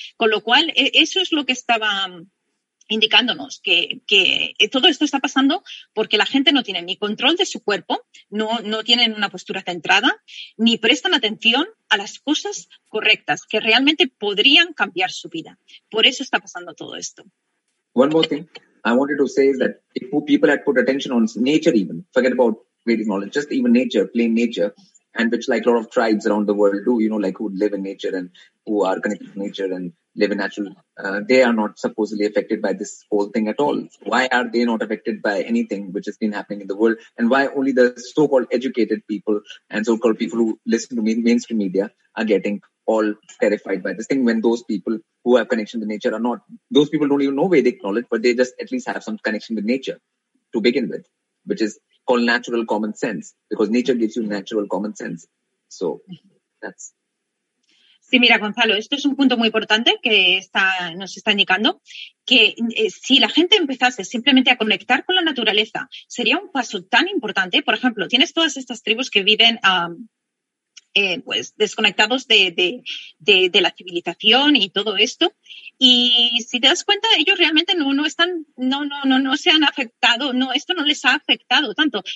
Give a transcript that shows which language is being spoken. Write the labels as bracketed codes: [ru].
[es] Con lo cual, eso es lo que estaba indicándonos, que todo esto está pasando porque la gente no tiene ni control de su cuerpo, no tienen una postura centrada, ni prestan atención a las cosas correctas que realmente podrían cambiar su vida. Por eso está pasando todo esto. [en] One more thing I wanted to say is that if people had put attention on nature, even forget about creative knowledge, just even nature, plain nature, and which like a lot of tribes around the world do, you know, like who live in nature and who are connected to nature and live in natural, they are not supposedly affected by this whole thing at all. Why are they not affected by anything which has been happening in the world? And why only the so-called educated people and so-called people who listen to mainstream media are getting all terrified by this thing when those people who have connection to nature are not? Those people don't even know Vedic knowledge, but they just at least have some connection with nature to begin with, which is called natural common sense, because nature gives you natural common sense. So that's... [es] Sí, mira, Gonzalo, esto es un punto muy importante que nos está indicando, que si la gente empezase simplemente a conectar con la naturaleza, sería un paso tan importante. Por ejemplo, tienes todas estas tribus que viven pues desconectados de la civilización y todo esto, y si te das cuenta, ellos realmente esto no les ha afectado tanto.